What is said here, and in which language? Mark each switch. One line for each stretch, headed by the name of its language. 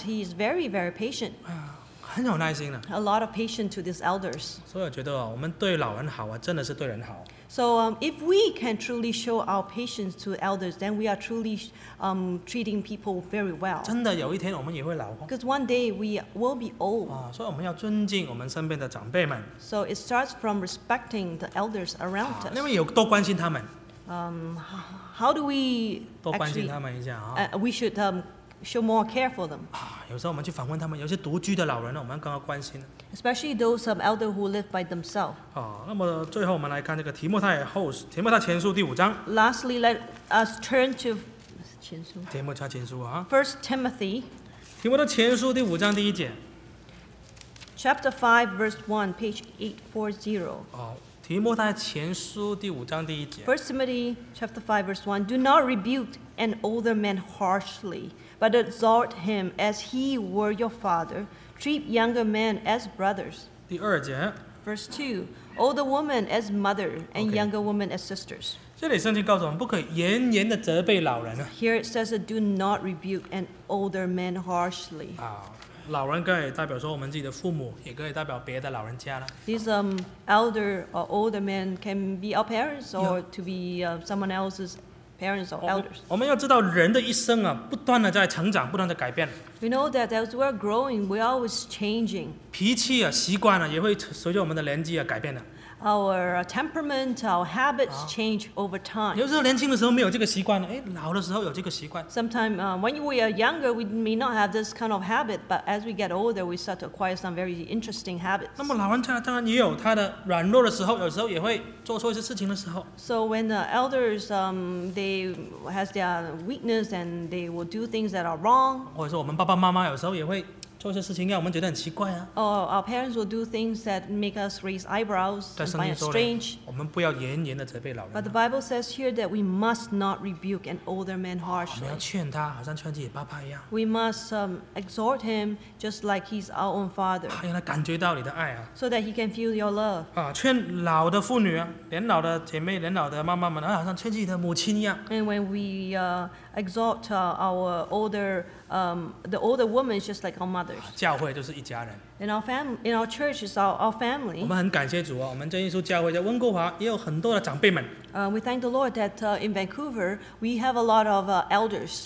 English: He is very, very patient.
Chinese: 很有耐心的。
English: A lot of patience to these elders.
Chinese: 所以我觉得我们对老人好啊，真的是对人好。
English: So if we can truly show our patience to elders, then we are truly treating people very well.
Chinese: 真的，有一天我们也会老。
English: Because one day we will be old.
Chinese: 所以我们要尊敬我们身边的长辈们。
English: So it starts from respecting the elders around us.
Chinese: 因为有多关心他们。
English: How do we
Chinese: actually, 多关心他们一下啊？
English: We should show more care for them.
Chinese: 有时候我们去访问他们，有些独居的老人呢，我们更要关心。
English: Especially those elder who live by themselves.
Chinese: 那么最后我们来看这个提摩太前书第五章。
English: Lastly, let us turn to 前书。
Chinese: 提摩太前书啊。
English: First Timothy.
Chinese: 提摩太前书第五章第一节。
English: Chapter 5, verse 1, page 840.
Chinese: 提摩太前书第五章第一节。
English: First Timothy chapter 5 verse 1. Do not rebuke an older man harshly, but exhort him as he were your father. Treat younger men as brothers.
Chinese: 第二节。
English: Verse 2. Older women as mother, and younger women as sisters.
Chinese: 这里圣经告诉我们，不可严严的责备老人。
English: Here it says, do not rebuke an older man harshly.
Chinese: 老人可以代表说我们自己的父母，也可以代表别的老人家了。
English: These elder or older men can be our parents or to be someone else's parents or elders.
Chinese: 我们要知道人的一生啊，不断的在成长，不断的改变。
English: We know that as we are growing, we are always changing.
Chinese: 脾气啊，习惯啊，也会随着我们的年纪啊改变的。
English: Our temperament, our habits change over time.
Chinese: 有时候年轻的时候没有这个习惯，哎，老的时候有这个习惯。
English: Sometimes, when we are younger, we may not have this kind of habit, but as we get older, we start to acquire some very interesting habits.
Chinese: 那么老人家当然也有他的软弱的时候，有时候也会做错一些事情的时候。
English: So when the elders, they has their weakness and they will do things that are wrong.
Chinese: 或者说我们爸爸妈妈有时候也会。做一些事情让我们觉得很奇怪啊！
English: Our parents will do things that make us raise eyebrows and find it strange.
Chinese: 我们不要严严的责备老人。
English: But the Bible says here that we must not rebuke an older man harshly.
Chinese: 我们要劝他，好像劝自己爸爸一样。
English: We must exhort him just like he's our own father.
Chinese: 让他感觉到你的爱啊！
English: So that he can feel your love.
Chinese: 劝老的妇女啊，年老的姐妹，年老的妈妈们，好像劝自己的母亲一样。
English: And when we exhort our older the older woman is just like our mothers.
Chinese: 教会就是一家人。
English: In our church is our family.
Chinese: 我们很感谢主啊，我们真耶稣教会在温哥华也有很多的长辈们。
English: We thank the Lord that in Vancouver we have a lot of elders.